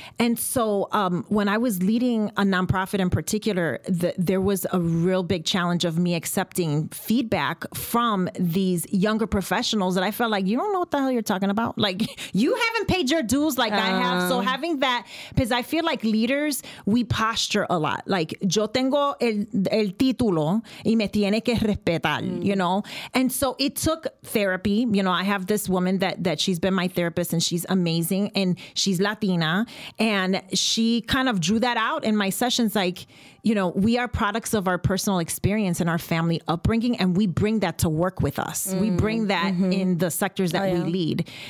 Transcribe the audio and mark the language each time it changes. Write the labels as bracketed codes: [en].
[en] And so when I was leading a nonprofit in particular, there was a real big challenge of me accepting feedback from these younger professionals that I felt like, you don't know what the hell you're talking about. Like, you haven't paid your dues like I have. So having that, because I feel like leaders, we posture a lot. [es] Like, yo tengo el título y me tiene que respetar, [en] you know? And so it took therapy. You know, I have this woman that she's been my therapist and she's amazing and she's Latina. And she kind of drew that out in my sessions. Like, you know, we are products of our personal experience and our family upbringing. And we bring that to work with us. We bring that in the sectors that we lead.